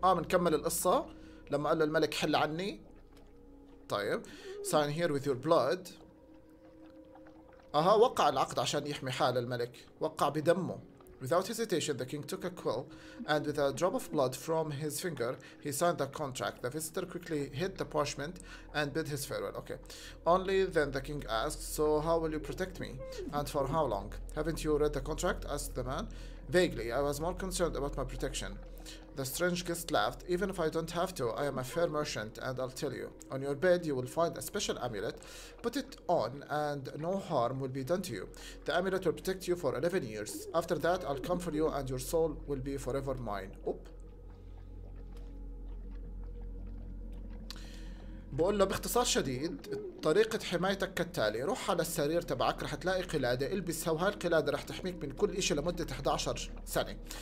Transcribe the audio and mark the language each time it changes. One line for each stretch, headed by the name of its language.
Arabic: منكمل القصة لما قال له الملك حل عني.
English: طيب. Sign here with your blood.
Arabic: وقع العقد عشان يحمي حال الملك. وقع بدمه.
English: Without hesitation, the king took a quill, and with a drop of blood from his finger, he signed the contract. The visitor quickly hid the parchment and bid his farewell. Okay. Only then the king asked, so how will you protect me? And for how long? Haven't you read the contract? Asked the man. Vaguely, I was more concerned about my protection. The strange guest laughed. Even if I don't have to, I am a fair merchant, and I'll tell you. On your bed, you will find a special amulet. Put it on, and no harm will be done to you. The amulet will protect you for 11 years. After that, I'll come for you, and your soul will be forever mine. Oop.
Arabic: بقول له باختصار شديد طريقة حمايتك كالتالي: روح على السرير تبعك رح تلاقي قلادة البسها وهاي القلادة رح تحميك من كل إشي لمدة 11 سنة.